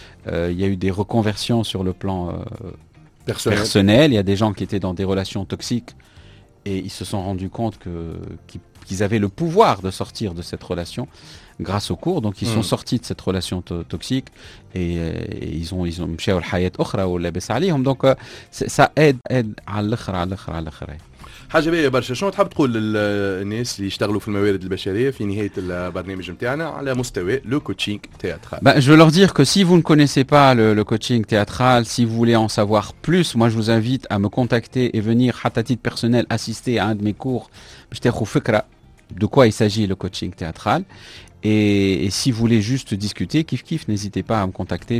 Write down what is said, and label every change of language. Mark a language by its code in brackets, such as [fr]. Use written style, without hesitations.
[fr] Il y a eu des reconversions sur le plan personnel, il y a des gens qui étaient dans des relations toxiques et ils se sont rendus compte qu'ils avaient le pouvoir de sortir de cette relation grâce au cours. Donc ils sont sortis de cette relation toxique et ils ont [ar] mchaou lhayat okhra ou labas alayhom. [fr] Donc ça aide à [ar] l'akhra, l'akhra. حاجة بيا برشا شنو تحب تقول للناس اللي يشتغلوا في الموارد البشرية في نهاية البرنامج نتاعنا على مستوى [fr] لو كوتشينغ تياترال Ben, je veux leur dire que si vous ne connaissez pas le coaching théâtral, si vous voulez en savoir plus, moi je vous invite à me contacter et venir à titre personnel assister à un de mes cours. Je te fais fikra de quoi il s'agit le coaching théâtral. Et si vous voulez juste discuter, kif kif, n'hésitez pas à me contacter.